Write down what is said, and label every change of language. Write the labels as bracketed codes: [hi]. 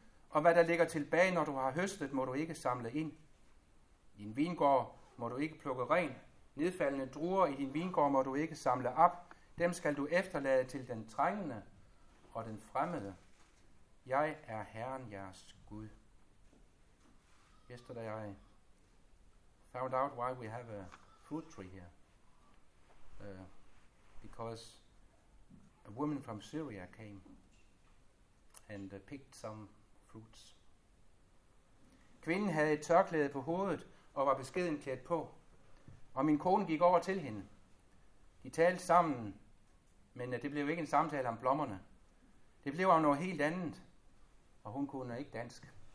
[da] Og hvad der ligger tilbage, når du har høstet, må du ikke samle ind. I din vingård må du ikke plukke ren. Nedfaldende druer i din vingård må du ikke samle op. Dem skal du efterlade til den trængende og den fremmede. Jeg er Herren jeres Gud. [en] Yesterday I found out why we have a fruit tree here. Because a woman from Syria came and picked some fruits. [da] Kvinden havde et tørklæde på hovedet og var beskeden klædt på. Og min kone gik over til hende. De talte sammen, men det blev ikke en samtale om blommerne. Det blev om noget helt andet, og hun kunne ikke dansk.